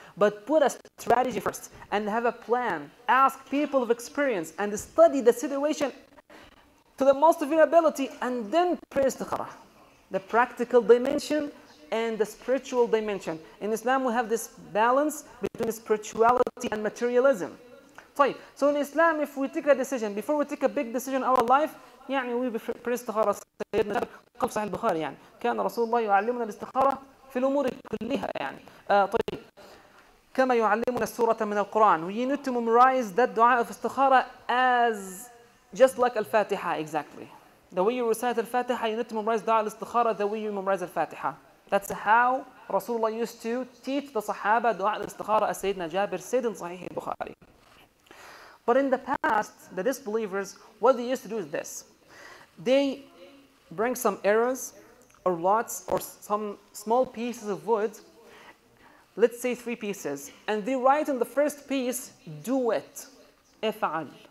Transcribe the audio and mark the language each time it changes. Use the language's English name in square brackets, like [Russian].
[English] But put a strategy first and have a plan. Ask people of experience and study the situation to the most of your ability, and then pray istikhara. The practical dimension and the spiritual dimension. In Islam, we have this balance between spirituality and materialism. So in Islam, if we take a decision, before we take a big decision in our life, [Arabic] يعني [English] we pray [Arabic] استخارة سيدنا قال صحيح البخاري يعني كان رسول الله يعلمنا الاستخارة في الأمور كلها يعني طيب كما يعلمنا السورة من القرآن. [English] We need to memorize that دعاء في استخارة as just like الفاتحة exactly. The way you recite الفاتحة, you need to memorize دعاء الاستخارة the way you memorize الفاتحة. That's how رسول الله used to teach the صحابة دعاء الاستخارة [Arabic] سيدنا جابر سيد صحيح البخاري. [English] But in the past, the disbelievers, what they used to do is this. They bring some arrows or lots or some small pieces of wood, let's say three pieces, and they write in the first piece, do it, افعل.